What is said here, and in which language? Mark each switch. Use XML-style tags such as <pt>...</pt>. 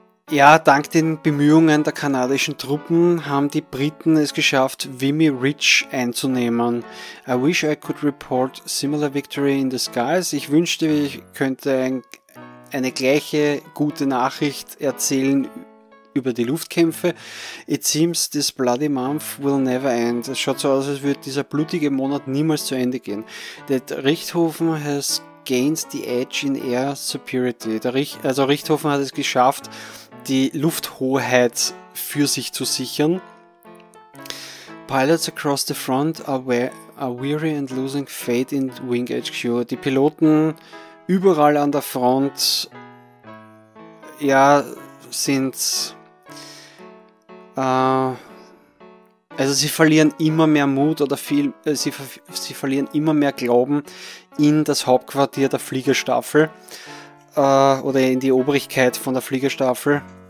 <de>Ja, dank den Bemühungen der kanadischen Truppen haben die Briten es geschafft, Vimy Ridge einzunehmen.</de> <en>I wish I could report similar victory in the skies.</en> <de>Ich wünschte, ich könnte eine gleiche gute Nachricht erzählen über die Luftkämpfe.</de> <en>It seems this bloody month will never end.</en> <de>Es schaut so aus, als würde dieser blutige Monat niemals zu Ende gehen.</de> <en>That Richthofen has gained the edge in air superiority.</en> <de>Also Richthofen hat es geschafft, die Lufthoheit für sich zu sichern.</de> <en>Pilots across the front are weary and losing faith in Wing HQ.</en> <de>Die Piloten überall an der Front, ja, sind. Also sie verlieren immer mehr Mut oder viel, sie verlieren immer mehr Glauben in das Hauptquartier der Fliegerstaffel oder in die Obrigkeit von der Fliegerstaffel.</de>